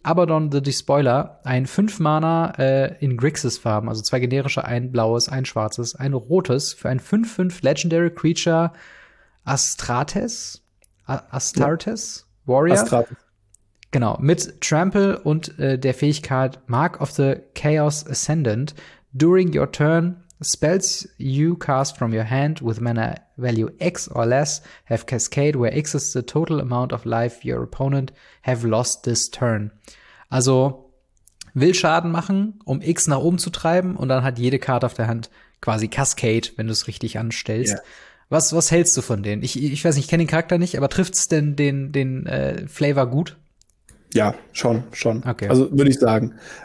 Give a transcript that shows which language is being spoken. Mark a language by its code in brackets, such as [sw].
[de] Abaddon the Despoiler, ein 5-Mana in Grixis-Farben, also 2 generische, 1 blaues, 1 schwarzes, 1 rotes für ein 5-5 Legendary Creature Astartes? Warrior? Astartes. Genau, mit Trample und der Fähigkeit Mark of the Chaos Ascendant. [en] During your turn, spells you cast from your hand with mana value X or less have cascade, where X is the total amount of life your opponent have lost this turn. [de] Also, will Schaden machen, um X nach oben zu treiben, und dann hat jede Karte auf der Hand quasi cascade, wenn du es richtig anstellst. Yeah. Was hältst du von denen? Ich weiß nicht, ich kenne den Charakter nicht, aber trifft's denn den Flavor gut? Ja, schon. Okay. Also, würde ich sagen.